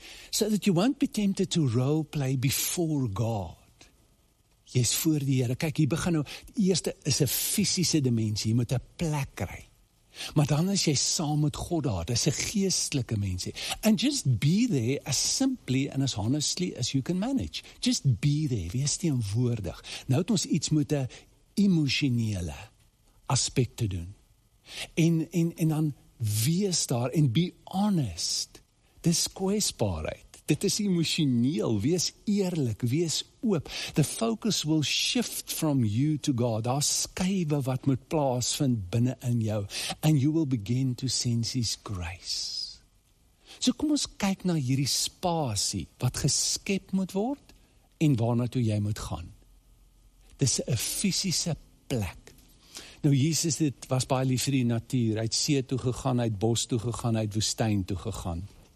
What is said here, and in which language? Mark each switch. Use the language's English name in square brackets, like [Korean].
[English] So that you won't be tempted to role play before God. [Afrikaans] Jy is voor die Here. Kyk, hier begin nou, die eerste is 'n fisiese dimensie, jy moet 'n plek kry. Maar dan is jy saam met God daar, dis 'n geestelike mensie. [English] And just be there as simply and as honestly as you can manage. Just be there, [Afrikaans] wees teenwoordig. Nou het ons iets met 'n emosionele aspek te doen. En dan wees daar en [English] be honest. [Afrikaans] Dis kwesbaarheid. Dit is emosioneel, wees eerlik, wees oop. [English] The focus will shift from you to God. [Afrikaans] Daar skuiwe wat moet plaasvind binne in jou. [English] And you will begin to sense His grace. [Afrikaans] So kom ons kyk na hierdie spasie wat geskep moet word en waarna toe jy moet gaan. Dis 'n fisiese plek. Nou, Jesus het was baie lief vir die natuur. Hy het see toe gegaan, hy het bos toe gegaan, hy het woestyn toe gegaan.